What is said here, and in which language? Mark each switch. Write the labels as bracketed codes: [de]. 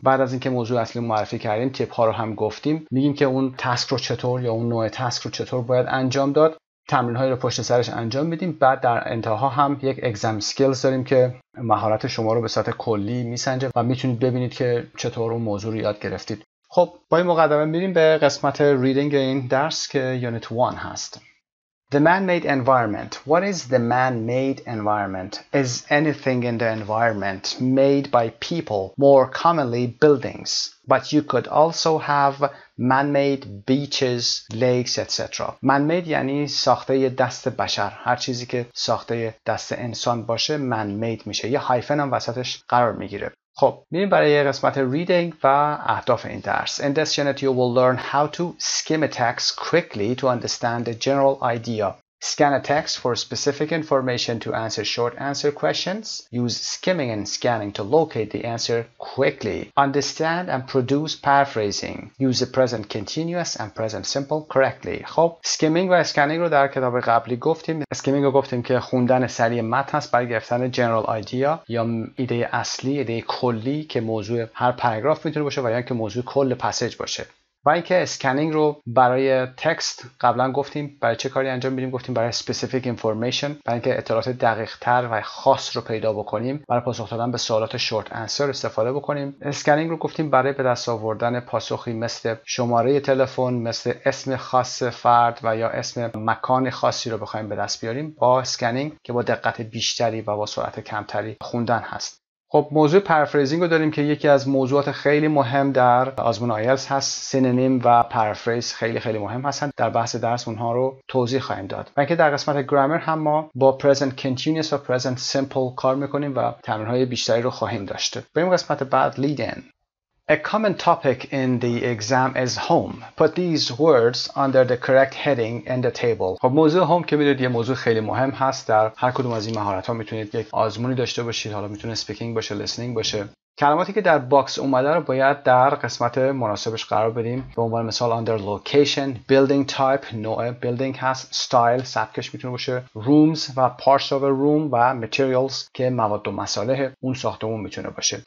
[fa] بعد از اینکه موضوع اصلی معرفی کردیم، تیپ ها رو هم گفتیم، میگیم که اون تاسک رو چطور یا اون نوع تسک رو چطور باید انجام داد، تمرین هایی رو پشت سرش انجام میدیم. بعد در انتها هم یک اگزم سکیلز داریم که مهارت شما رو به صورت کلی میسنجه و میتونید ببینید که چطور اون موضوع رو یاد گرفتید. خب با این مقدمه میریم به قسمت ریدینگ این درس که یونیت 1 هست. [en] The man-made environment. What is the man-made environment? Is anything in the environment made by people, more commonly buildings? But you could also have man-made beaches, lakes, etc. Man-made [fa] یعنی ساخته دست بشر. هر چیزی که ساخته دست انسان باشه man-made میشه. یه هایفن هم وسطش قرار میگیره. خب میریم برای یه قسمت ریدینگ و اهداف این درس. [en] In this unit you will learn how to skim a text quickly to understand the general idea. Scan a text for specific information to answer short answer questions. Use skimming and scanning to locate the answer quickly. Understand and produce paraphrasing. Use the present continuous and present simple correctly. [fa] خب skimming و scanning رو در کتاب قبلی گفتیم. Skimming رو گفتیم که خوندن سریع متن هست برای گرفتن [en] general idea [fa] یا ایده اصلی، ایده کلی که موضوع هر پاراگراف میتونه باشه و یا که موضوع کل پسیج باشه. و اینکه اسکنینگ رو برای تکست قبلا گفتیم برای چه کاری انجام میدیم، گفتیم برای [en] specific information، [fa] برای اینکه اطلاعات دقیق تر و خاص رو پیدا بکنیم، برای پاسخ دادن به سوالات [en] short answer [fa] استفاده بکنیم. اسکنینگ رو گفتیم برای به دست آوردن پاسخی مثل شماره تلفن، مثل اسم خاص فرد و یا اسم مکان خاصی رو بخوایم به دست بیاریم با اسکنینگ که با دقت بیشتری و با سرعت کمتری خوندن هست. خب موضوع پارافریزینگ رو داریم که یکی از موضوعات خیلی مهم در آزمون آیلتس هست. سینونیم و پارافریز خیلی خیلی مهم هستن. در بحث درس اونها رو توضیح خواهیم داد. و اینکه در قسمت گرامر هم ما با پرزنت کنتینیوس و پرزنت سیمپل کار میکنیم و تمرین‌های بیشتری رو خواهیم داشته. بریم قسمت بعد، لید این. [en] A common topic in the exam is home. Put these words under the correct heading in the table. [fa] خب موضوع هوم که میدونید یه موضوع خیلی مهم هست. در هر کدوم از این مهارت ها میتونید یک آزمونی داشته باشید. حالا میتونه speaking باشه، listening باشه. کلماتی که در باکس اومده رو باید در قسمت مناسبش قرار بدیم. به عنوان مثال [en] under location, building type، [fa] نوع building هست، style، سبکش میتونه باشه، rooms و [en] parts of a room [fa] و materials که مواد و مصالح اون ساختمون میتونه باشه.